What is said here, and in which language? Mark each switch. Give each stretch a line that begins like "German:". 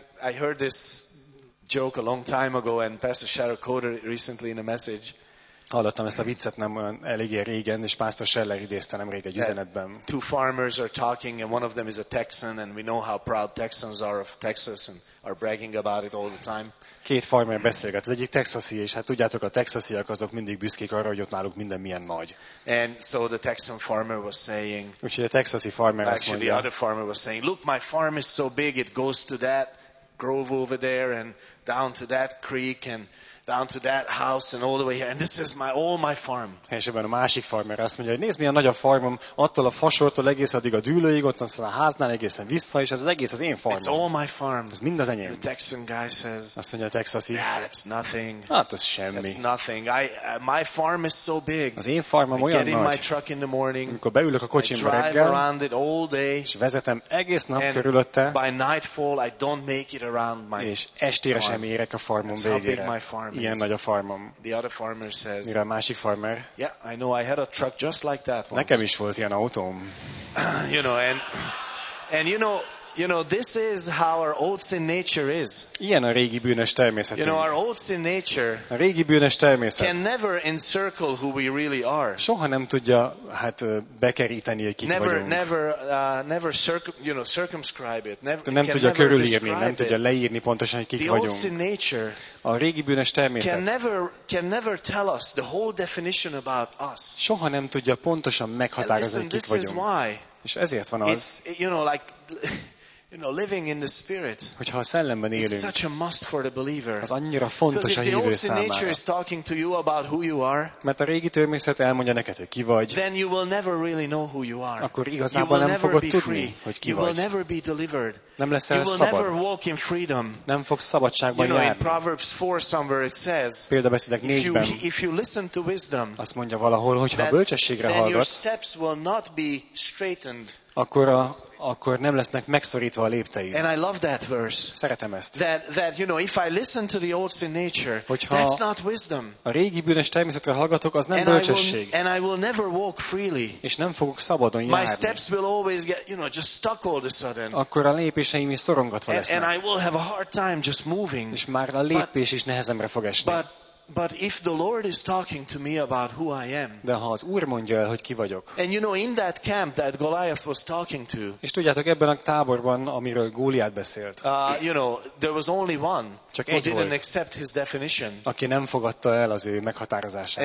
English: I heard this joke a long time ago and Pastor Sherrod quoted it recently in a message.
Hungarian: Hallottam ezt a viccet nem olyan eléggé régen, és Pásztor Scheller idézte nem régen egy üzenetben.
English: Two farmers are talking, and one of them is a Texan, and we know how proud Texans are of Texas, and are bragging about it all the time.
Hungarian: Két farmer beszélget, az egyik texasi, és hát tudjátok, a texasiak azok mindig büszkék arra, hogy ott náluk minden milyen nagy.
English: And so the Texan farmer was saying.
Hungarian: Úgyhogy a texasi farmer azt mondja.
English: The other farmer was saying, look, my farm is so big, it goes to that grove over there, and down to that creek, and down to that house and all the way here and this is my all my farm.
Hungarian: És ebben a másik farmer azt mondja, hogy nézd, milyen nagy a farmom, attól a fasortól egész addig a dűlőig, ott aztán a háznál egészen vissza, és ez az egész az én farmom.
English: It's all my farm.
Hungarian: Ez mind az enyém.
English: The Texan guy says.
Hungarian: Azt mondja a texasi.
English: Yeah, that's nothing.
Hungarian: Hát ez semmi.
English: It's nothing. My farm is so big.
Hungarian: Az én farmom olyan nagy.
English: I get in my truck in the morning.
Hungarian: Amikor beülök a kocsimba reggel.
English: I drive around it all day.
Hungarian: És vezetem egész nap körülötte.
English: By nightfall I don't make it around my
Hungarian: és estére sem érek a farmom végére.
English: How big my farm.
Hungarian: Ilyen nagy a farmom.
English: The other farmer says.
Hungarian: Mire a másik farmer?
English: Yeah, I know. I had a truck just like that once.
Hungarian: Nekem is volt ilyen autóm.
English: You know, and you know, You know, this is how our old sin nature is.
Hungarian: Ilyen a régi bűnös természetünk.
English: You know, our old sin nature.
Hungarian: A régi bűnös természet.
English: Can never encircle who we really are.
Hungarian: Soha nem tudja hát bekeríteni, hogy kik
English: never,
Hungarian: vagyunk.
English: Never circumscribe it. Never,
Hungarian: nem tudja körülírni, nem tudja leírni pontosan, hogy kik
English: the
Hungarian: vagyunk.
English: The old sin nature.
Hungarian: A régi bűnös természet.
English: Can never tell us the whole definition about us.
Hungarian: Soha nem tudja pontosan meghatározni,
English: listen,
Hungarian: kik vagyunk.
English: Why.
Hungarian: És ezért van az.
English: It's, you know, like, you know, living in the spirit.
Hungarian: Hogyha a szellemben élünk.
English: It's such a must for the believer.
Hungarian: Az annyira fontos a hívő számára.
English: Because if the old nature is talking to you about who you are.
Hungarian: Mert a régi természet elmondja neked, hogy ki vagy.
English: Then you will never really know who you are.
Hungarian: Akkor igazából nem fogod tudni, hogy ki vagy.
English: You will never be delivered.
Hungarian: Nem leszel szabad.
English: You will never walk in freedom.
Hungarian: Nem fogsz szabadságban járni.
English: You know, in Proverbs 4 somewhere it says.
Hungarian: Példabeszédek 4-ben.
English: If you listen to wisdom.
Hungarian: Azt mondja valahol, hogy ha bölcsességre hallgatsz.
English: Then your steps will not be straightened.
Hungarian: Akkor nem lesznek megszorítva a lépteid.
English: And I love that verse.
Hungarian: Szeretem ezt.
English: That you know, if I listen to the old sin nature,
Hungarian: hogyha
English: that's not wisdom.
Hungarian: A régi bűnös természetre hallgatok, az nem
English: and
Hungarian: bölcsesség.
English: I will never walk freely.
Hungarian: És nem fogok szabadon járni.
English: My steps will always get, you know, just stuck all of a sudden.
Hungarian: Akkor a lépéseim is szorongatva lesznek.
English: And I will have a hard time just moving.
Hungarian: És már a lépés is nehezemre fog esni.
English: But if the Lord is talking to me about who I am.
Hungarian: De ha az Úr mondja el, hogy ki vagyok.
English: And you know, in that camp that Goliath was talking to.
Hungarian: És tudjátok, ebben a táborban, amiről Góliát beszélt.
English: You know, there was only one.
Hungarian: Csak egy
English: who didn't
Hungarian: volt,
English: accept his definition.
Hungarian: Aki nem fogadta el az ő meghatározását.